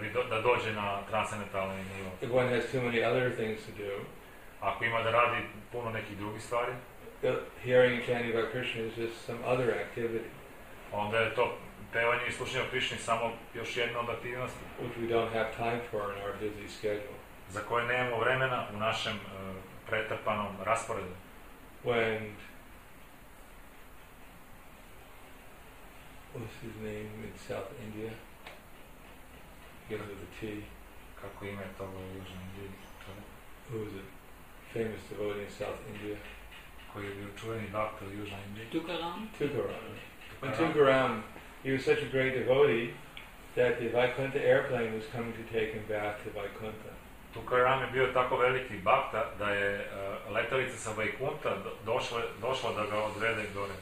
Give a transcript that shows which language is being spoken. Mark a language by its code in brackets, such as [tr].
[sr] Da dođe na transcendentalni nivo. [en] If one has too many other things to do, [sr] ako ima da radi puno nekih drugih stvari, [en] the hearing and chanting about Krishna is just some other activity. [sr] Onda je to pevanje i slušanje o Krišni samo još jedna od aktivnosti. [en] Which we don't have time for in our busy schedule. [sr] Za koje nemamo vremena u našem pretrpanom rasporedu. [en] When what's his name in South India? Begins with a T. [sr] Kako ime toga u Južnoj Indiji? [en] Who is a famous devotee in South India? [sr] Koji je bio čuveni doktor u Južnoj Indiji? [en] Tukaram. When Tukaram, he was such a great devotee that the Vaikuntha airplane was coming to take him back to Vaikuntha. [sr] Tukaram je bio tako veliki bhakta da je letelica sa Vaikuntha došla da ga odvede gore.